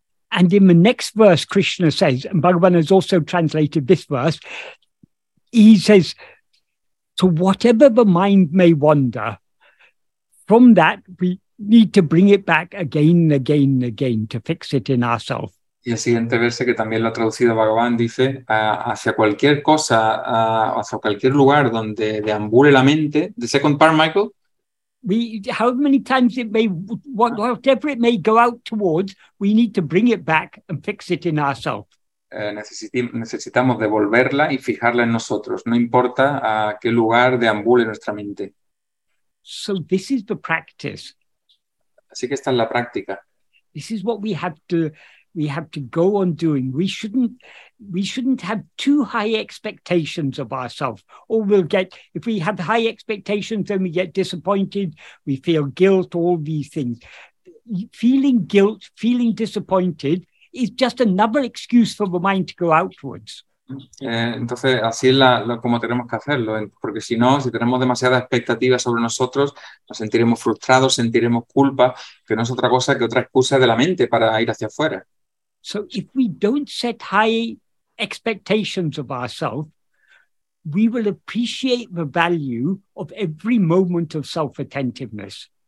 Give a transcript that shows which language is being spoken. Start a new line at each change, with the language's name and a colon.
English: And in the next verse, Krishna says, and Bhagavan has also translated this verse, he says, to whatever the mind may wander, from that we need to bring it back again and again and again to fix it in ourselves.
Spanish: Y el siguiente verso que también lo ha traducido Bhagavan dice, hacia cualquier cosa, hacia cualquier lugar donde deambule la mente.
English: The second part, Michael? How many times it may, whatever it may go out towards, we need to bring it back and fix it in ourselves.
Spanish: Necesitamos devolverla y fijarla en nosotros, no importa a qué lugar deambule nuestra mente.
English: So this is the practice.
Spanish: Así que esta es la práctica.
English: This is what we have to go on doing. We shouldn't have too high expectations of ourselves, or we'll get, if we have high expectations, then we get disappointed, we feel guilt, all these things. Feeling guilt, feeling disappointed is just another excuse for the mind to go outwards.
Spanish: Entonces, así es como tenemos que hacerlo, porque si no, si tenemos demasiadas expectativas sobre nosotros, nos sentiremos frustrados, sentiremos culpa, que no es otra cosa que otra excusa de la mente para ir hacia afuera.
English: So if we don't set high expectations of ourselves, we will appreciate the value of every moment of self-attentiveness.